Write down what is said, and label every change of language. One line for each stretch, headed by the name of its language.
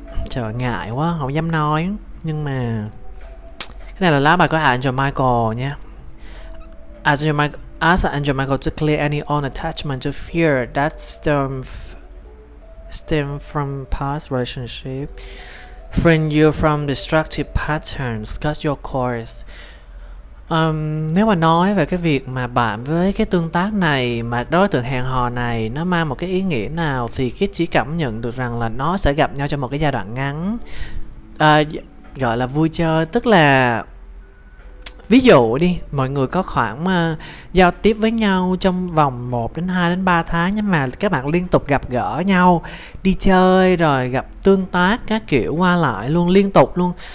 Vietnamese: Trời, ngại quá không dám nói. Nhưng mà cái này là lá bài của Angel Michael nha.
English: Ask Angel Michael to clear any old attachment to fear that stem from past relationship, freeing you from destructive patterns. Cut your cords.
Vietnamese: Nếu mà nói về cái việc mà bạn với cái tương tác này, mà đối tượng hẹn hò này nó mang một cái ý nghĩa nào, thì Kit chỉ cảm nhận được rằng là nó sẽ gặp nhau trong một cái giai đoạn ngắn, gọi là vui chơi. Tức là ví dụ đi, mọi người có khoảng mà giao tiếp với nhau trong vòng 1 đến 2 đến 3 tháng, nhưng mà các bạn liên tục gặp gỡ nhau, đi chơi rồi gặp tương tác các kiểu qua lại luôn, liên tục luôn.